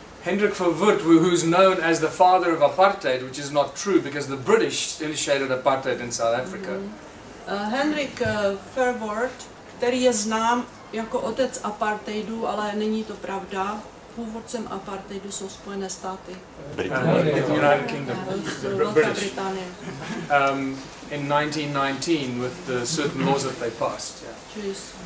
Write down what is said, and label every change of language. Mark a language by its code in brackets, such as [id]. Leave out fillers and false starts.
[en] Hendrik Verwoerd, who is known as the father of apartheid, which is not true because the British initiated apartheid in South Africa. [cs] Hendrik Verwoerd, který je znám jako otec apartheidu, ale není to pravda. Původcem apartheidu jsou Spojené státy. [en] United Kingdom. [cs] Velká Británie. [en] In 1919 with the certain laws that they passed. Yeah.